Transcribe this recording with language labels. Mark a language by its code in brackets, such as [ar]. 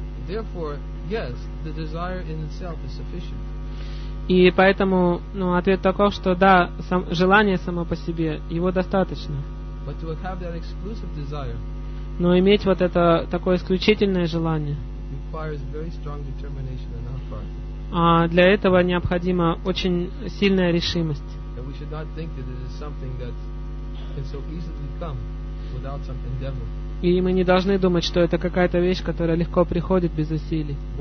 [en] Therefore, yes, the desire in itself is sufficient. [ru] И поэтому, ну, ответ таков, что да, сам, желание само по себе, его достаточно. [en] But to have that exclusive desire, [ru] но иметь вот это такое исключительное желание, [en] requires very strong determination on our part. [ru] А для этого необходима очень сильная решимость. [en] And we should not think that it is something that can so easily come without some endeavor. [ru] И мы не должны думать, что это какая-то вещь, которая легко приходит без усилий.